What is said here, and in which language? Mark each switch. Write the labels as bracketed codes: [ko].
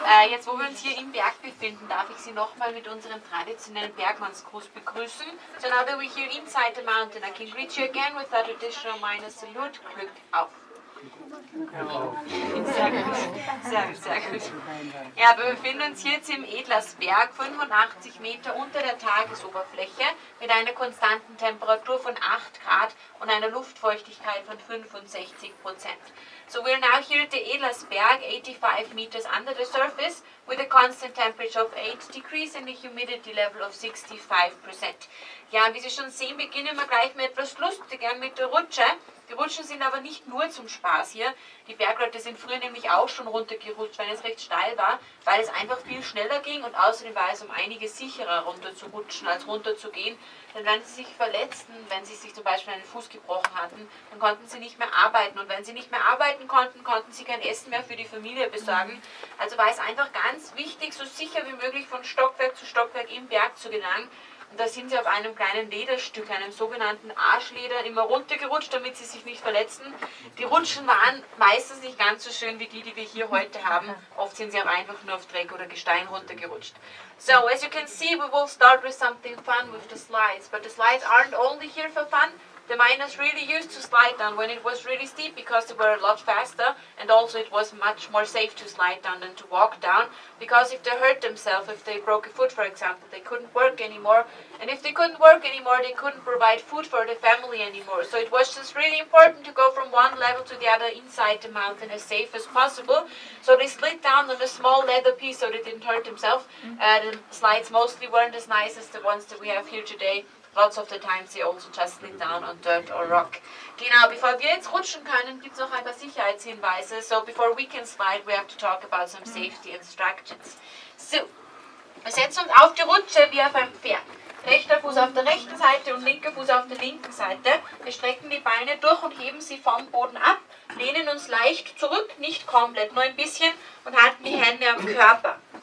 [de] Jetzt, wo wir uns hier im Berg befinden, darf ich Sie nochmal mit unserem traditionellen Bergmannsgruß begrüßen. [en] So now that we're here inside the mountain, I can greet you again with our traditional miner salute. [de] Glück auf! Sehr gut. Ja, wir befinden uns jetzt im Edlersberg, 85 Meter unter der Tagesoberfläche, mit einer konstanten Temperatur von 8 Grad und einer Luftfeuchtigkeit von 65%. [en] So we'll now here at the Edlersberg, 85 meters under the surface, with a constant temperature of 8 degrees and a humidity level of 65%. [de] Ja, wie Sie schon sehen, beginnen wir gleich mit etwas Lustigem, mit der Rutsche. Die Rutschen sind aber nicht nur zum Spaß hier. Die Bergleute sind früher nämlich auch schon runtergerutscht, weil es recht steil war, weil es einfach viel schneller ging und außerdem war es um einiges sicherer runter zu rutschen als runter zu gehen. Denn wenn sie sich verletzten, wenn sie sich zum Beispiel einen Fuß gebrochen hatten, dann konnten sie nicht mehr arbeiten. Und wenn sie nicht mehr arbeiten konnten, konnten sie kein Essen mehr für die Familie besorgen. Also war es einfach ganz wichtig, so sicher wie möglich von Stockwerk im Berg zu gelangen. Und da sind sie auf einem kleinen Lederstück, einem sogenannten Arschleder, immer runtergerutscht, damit sie sich nicht verletzen. Die Rutschen waren meistens nicht ganz so schön wie die, die wir hier heute haben. Oft sind sie aber einfach nur auf Dreck oder Gestein runtergerutscht. [en] So, as you can see, we will start with something fun with the slides. But the slides aren't only here for fun. The miners really used to slide down when it was really steep because they were a lot faster and also it was much more safe to slide down than to walk down because if they hurt themselves, if they broke a foot for example, they couldn't work anymore and if they couldn't work anymore, they couldn't provide food for the family anymore. So it was just really important to go from one level to the other inside the mountain as safe as possible. So they slid down on a small leather piece so they didn't hurt themselves. The slides mostly weren't as nice as the ones that we have here today. Lots of the times they also just slid down on dirt or rock. [de] Genau, bevor wir jetzt rutschen können, gibt es noch ein paar Sicherheitshinweise. [en] So before we can slide, we have to talk about some safety instructions. [de] So, wir setzen uns auf die Rutsche wie auf einem Pferd. Rechter Fuß auf der rechten Seite und linker Fuß auf der linken Seite. Wir strecken die Beine durch und heben sie vom Boden ab, lehnen uns leicht zurück, nicht komplett, nur ein bisschen und halten die Hände am Körper.